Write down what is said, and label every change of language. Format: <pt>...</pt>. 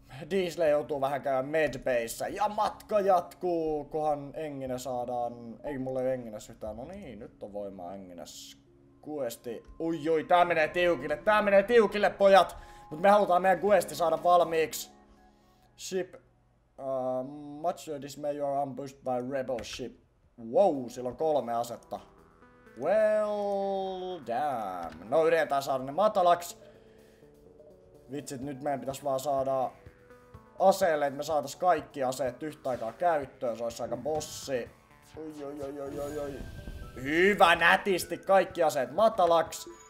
<fi>Diesel joutuu vähän käymään medbayssä ja matka jatkuu, kunhan enginä saadaan. Ei mulle enginäs yhtään, no niin, nyt on voimaa enginäs. Questi, oi, tää menee tiukille pojat. Mut me halutaan meidän questi saada valmiiksi.</fi> <en>Ship, much your dismay you are ambushed by rebel ship.</en> <fi>Wow, sillä on 3 asetta.</fi> <en>Well, damn.</en> <fi>No yritetään saada ne matalaks. Vitsit, nyt meidän pitäis vaan saada aseelle, että me saatais kaikki aseet yhtä aikaa käyttöön, se olisi aika bossi. Oi. Hyvä, nätisti kaikki aseet matalaks.</fi>